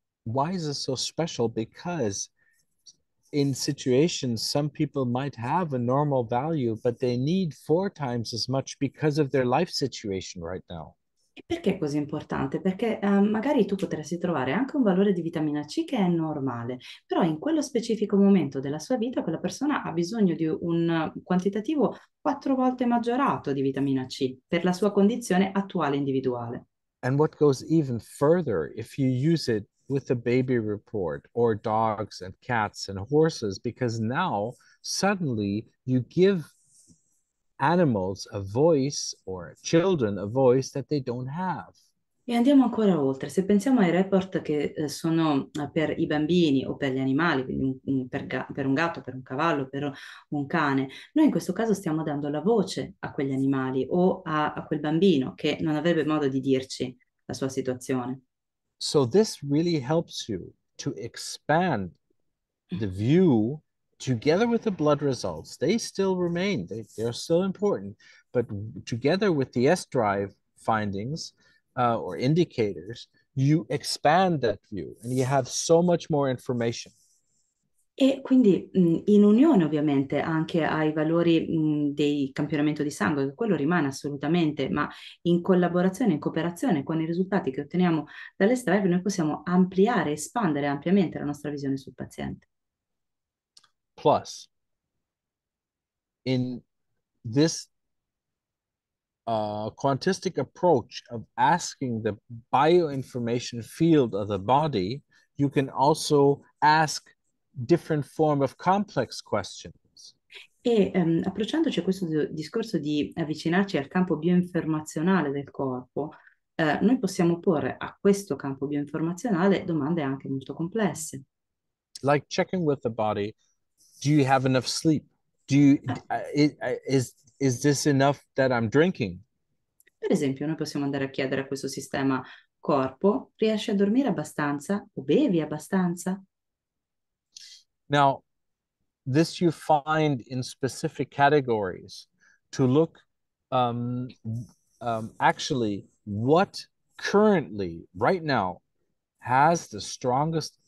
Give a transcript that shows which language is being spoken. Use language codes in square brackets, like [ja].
[en] Why is this so special? Because in situations, some people might have a normal value, but they need four times as much because of their life situation right now. [it] Perché è così importante? Perché magari tu potresti trovare anche un valore di vitamina C che è normale, però in quello specifico momento della sua vita quella persona ha bisogno di un quantitativo 4 volte maggiorato di vitamina C per la sua condizione attuale individuale. [en] And what goes even further, if you use it with a baby report or dogs and cats and horses, because now suddenly you give animals a voice or children a voice that they don't have. [it] E andiamo ancora oltre, se pensiamo ai report che sono per i bambini o per gli animali, quindi per un gatto, per un cavallo, per un cane, noi in questo caso stiamo dando la voce a quegli animali o a quel bambino che non avrebbe modo di dirci la sua situazione. [en] So this really helps you to expand the view together with the blood results. They still remain, they're still important, but together with the S-drive findings or indicators, you expand that view and you have so much more information. [it] E quindi in unione ovviamente anche ai valori del campionamento di sangue, quello rimane assolutamente, ma in collaborazione, in cooperazione con i risultati che otteniamo dall'estrarre, noi possiamo ampliare, espandere ampiamente la nostra visione sul paziente. [en] Plus, in this quantistic approach of asking the bioinformation field of the body, you can also ask different form of complex questions. [it] E approcciandoci a questo discorso di avvicinarci al campo bioinformazionale del corpo, noi possiamo porre a questo campo bioinformazionale domande anche molto complesse. [en] Like checking with the body. Do you have enough sleep? Do you, is this enough that I'm drinking? [it] Per esempio, noi possiamo andare a chiedere a questo sistema corpo, riesci a dormire abbastanza o bevi abbastanza? [en] Now, this you find in specific categories to look actually what currently, right now, has the strongest